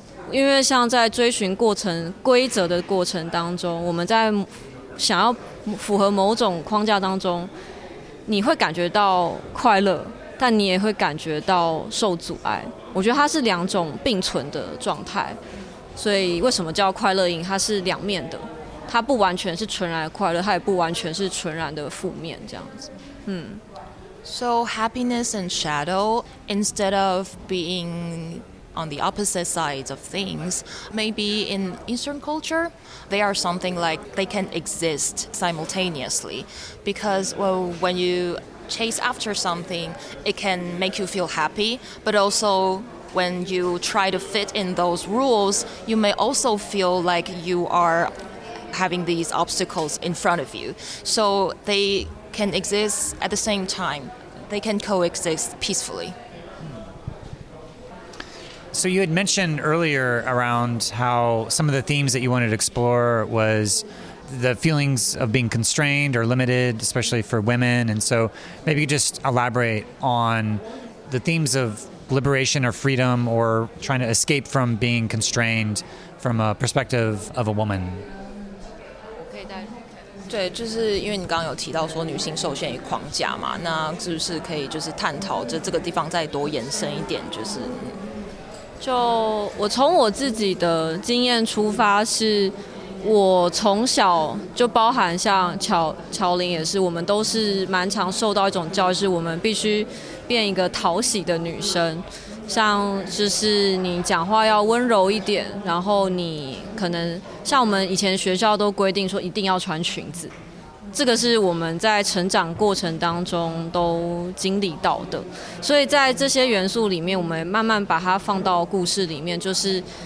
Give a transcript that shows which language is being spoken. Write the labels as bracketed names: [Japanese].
[Chinese] 因为像在追寻过程规则的过程当中，我们在想要符合某种框架当中，你会感觉到快乐，但你也会感觉到受阻碍。我觉得它是两种并存的状态，所以为什么叫快乐影？它是两面的。它不完全是纯然的快乐，它也不完全是纯然的负面，这样子。 [English] So happiness and shadow, instead of being on the opposite sides of things, maybe in Eastern culture, they are something like they can exist simultaneously. Because well, when you chase after something, it can make you feel happy, but also... When you try to fit in those rules, you may also feel like you are having these obstacles in front of you. So they can exist at the same time. They can coexist peacefully. So you had mentioned earlier around how some of the themes that you wanted to explore was... the feelings of being constrained or limited, especially for women. And so maybe you just elaborate on the themes of liberation or freedom or trying to escape from being constrained from a perspective of a woman. [Chinese] 对，就是因为你刚刚有提到说女性受限于框架嘛，那是不是可以就是探讨这这个地方再多延伸一点，就是。就我从我自己的经验出发是。我从小就包含像乔琳也是，我们都是蛮常受到一种教育，是我们必须变一个讨喜的女生，像就是你讲话要温柔一点，然后你可能像我们以前学校都规定说一定要穿裙子，这个是我们在成长过程当中都经历到的，所以在这些元素里面，我们慢慢把它放到故事里面，就是。